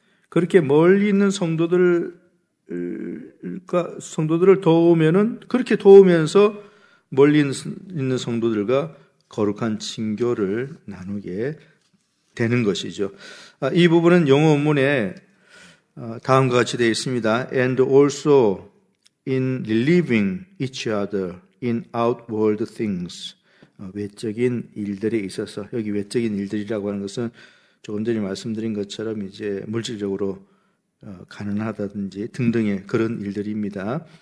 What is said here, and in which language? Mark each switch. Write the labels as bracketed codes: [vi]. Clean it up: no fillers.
[ko] 그렇게 멀리 있는 성도들을 도우면은 그렇게 도우면서 멀리 있는 성도들과 거룩한 친교를 나누게 되는 것이죠. 이 부분은 영어문에 다음과 같이 되어 있습니다. [en] And also in relieving each other in outward things. [ko] 외적인 일들에 있어서, 여기 외적인 일들이라고 하는 것은 조금 전에 말씀드린 것처럼 이제 물질적으로 가난하다든지 등등의 그런 일들입니다.